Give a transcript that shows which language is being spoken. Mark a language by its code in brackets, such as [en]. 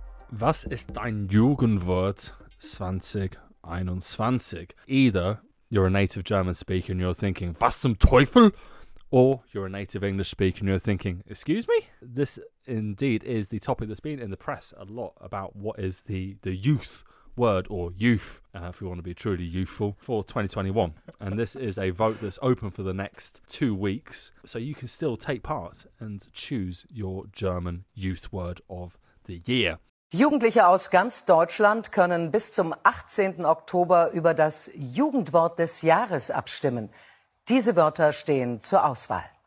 [de] Was ist dein Jugendwort 2021? [en] Either you're a native German speaker and you're thinking, [de] was zum Teufel? [en] Or you're a native English speaker and you're thinking, excuse me? This indeed is the topic that's been in the press a lot about what is the youth word, or youth, if we want to be truly youthful, for 2021. And this is a vote that's open for the next 2 weeks. So you can still take part and choose your German youth word of the year. [de] Jugendliche aus ganz Deutschland können bis zum 18. Oktober über das Jugendwort des Jahres abstimmen. Diese Wörter stehen zur Auswahl.